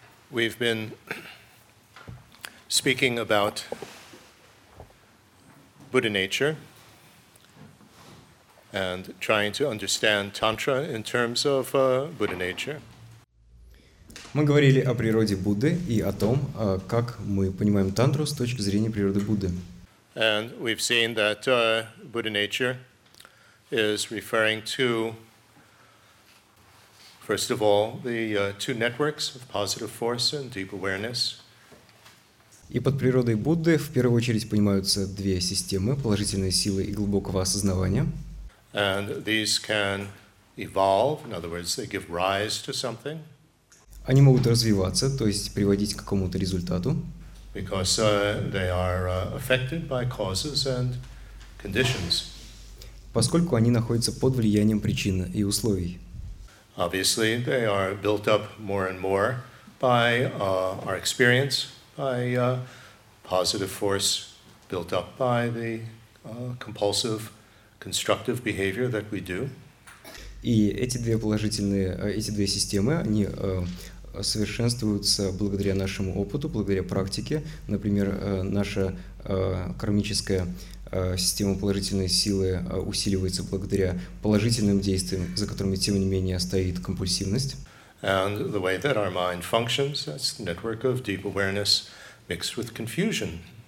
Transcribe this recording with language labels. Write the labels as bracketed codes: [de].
[en] We've been speaking about Buddha nature and trying to understand Tantra in terms of Buddha nature. [ru] Мы говорили о природе Будды и о том, как мы понимаем Тантру с точки зрения природы Будды. [en] And we've seen that Buddha nature is referring to, first of all, the two networks of positive force and deep awareness. [ru] И под природой Будды в первую очередь понимаются две системы положительной силы и глубокого осознавания. [en] And these can evolve, in other words, they give rise to something. [ru] Они могут развиваться, то есть приводить к какому-то результату. [en] Because they are affected by causes and conditions. [ru] Поскольку они находятся под влиянием причин и условий. [en] Obviously, they are built up more and more by our experience, by positive force built up by the compulsive, constructive behavior that we do. [ru] И эти две системы, они совершенствуются благодаря нашему опыту, благодаря практике. Например, наша кармическая система положительной силы усиливается благодаря положительным действиям, за которыми, тем не менее, стоит компульсивность. [en] And the way that our mind functions, that's the network of deep awareness mixed with confusion.